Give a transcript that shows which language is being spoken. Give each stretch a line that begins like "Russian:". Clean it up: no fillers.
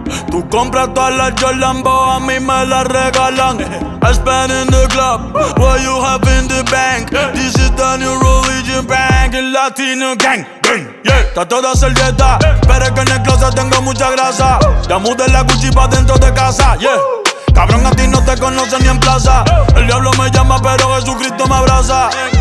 Spanish: Tú compras todas las Jolambo, a mí me las regalan.
English: I spend in the club, what you have in the bank. This is the new religion bank, el latino gang. Yeah.
Spanish: Trato de hacer dieta, pero es que en el closet tengo mucha grasa. Ya mudé la Gucci pa' dentro de casa, yeah. Cabrón, a ti no te conocen ni en plaza. El diablo me llama, pero Jesucristo me abraza.